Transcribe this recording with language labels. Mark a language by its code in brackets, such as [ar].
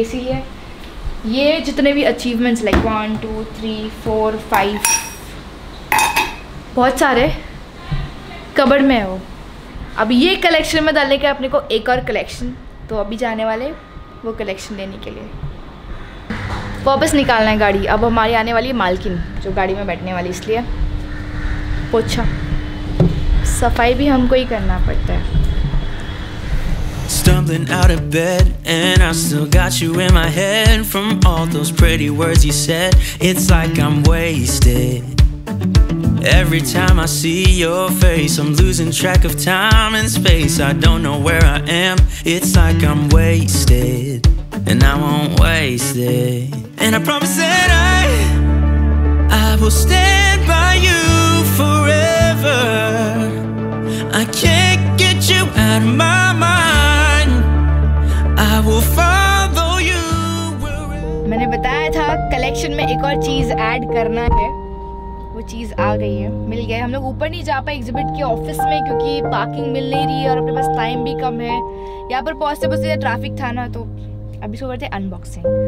[hi] इसीलिए ये जितने भी अचीवमेंट्स लाइक 1, 2, 3, 4, 5 बहुत सारे कबड़ में है वो, अब ये कलेक्शन में डालने के अपने को एक और कलेक्शन, तो अभी जाने वाले वो कलेक्शन लेने के लिए। वापस निकालना है गाड़ी, अब हमारी आने वाली है मालकिन जो गाड़ी में बैठने वाली, इसलिए पोछा सफाई भी हमको ही करना पड़ता है। [en] Stumbling out of bed and I still got you in my head from all those pretty words you said, it's like I'm wasted. Every time I see your face I'm losing track of time and space, I don't know where I am, it's like I'm wasted and I won't waste it. And I promise that I will stand by you. Forever, I can't get you out of my mind. I will follow you. [hi] मैंने बताया था collection में एक और चीज add करना है, वो चीज आ गई है, मिल गए। हम लोग ऊपर नहीं जा पाए एग्जिबिट के ऑफिस में क्योंकि पार्किंग मिल नहीं रही है और अपने पास टाइम भी कम है, यहाँ पर पॉसिबल से ट्रैफिक था ना, तो अभी सुबह थे अनबॉक्सिंग।